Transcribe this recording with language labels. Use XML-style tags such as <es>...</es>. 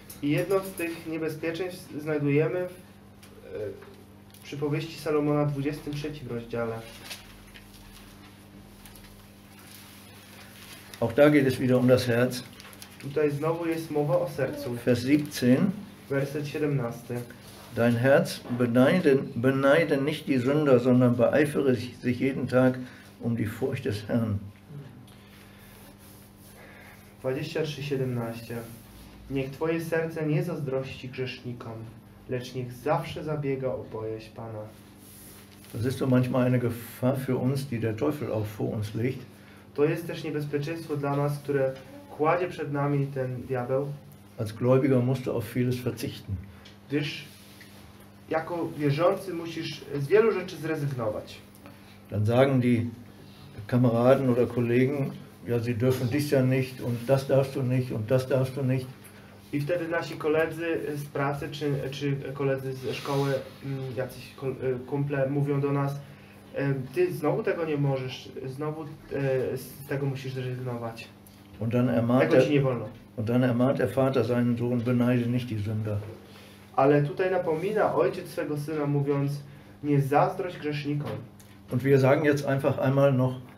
<pl>I jedno z tych niebezpieczeństw znajdujemy w przy powieści Salomona w 23 rozdziale.</pl> <de>Auch da geht es wieder um das Herz.</de> <pl>Tutaj znowu jest mowa o sercu.</pl> <de>Vers 17.</de> <pl>Werset 17.</pl> <de>Dein Herz beneide nicht die Sünder, sondern beeifere sich jeden Tag um die Furcht des Herrn. 23,17.</de> <pl>Niech twoje serce nie zazdrości grzesznikom, lecz niech zawsze zabiega o bojaźń Pana.</pl> <de>Das ist so manchmal eine Gefahr für uns, die der Teufel auch vor uns legt.</de> <pl>To jest też niebezpieczeństwo dla nas, które kładzie przed nami ten diabeł.</pl> <de>Als Gläubiger musst du auf vieles verzichten.</de> <pl>Gdyż jako wierzący musisz z wielu rzeczy zrezygnować.</pl> <de>Dann sagen die Kameraden oder Kollegen, ja, sie dürfen dich ja nicht und das darfst du nicht und das darfst du nicht.</de> <pl>I wtedy nasi koledzy z pracy, czy koledzy ze szkoły, jacyś kumple mówią do nas, ty znowu tego nie możesz, znowu z tego musisz zrezygnować.</pl> <de>Und dann ermahnt er, und dann ermahnt der Vater seinen Sohn, beneide nicht die Sünder.</de> <pl>Ale tutaj napomina ojciec swego syna, mówiąc, nie zazdrość grzesznikom.</pl> <de>Und wir sagen jetzt einfach einmal noch,</de>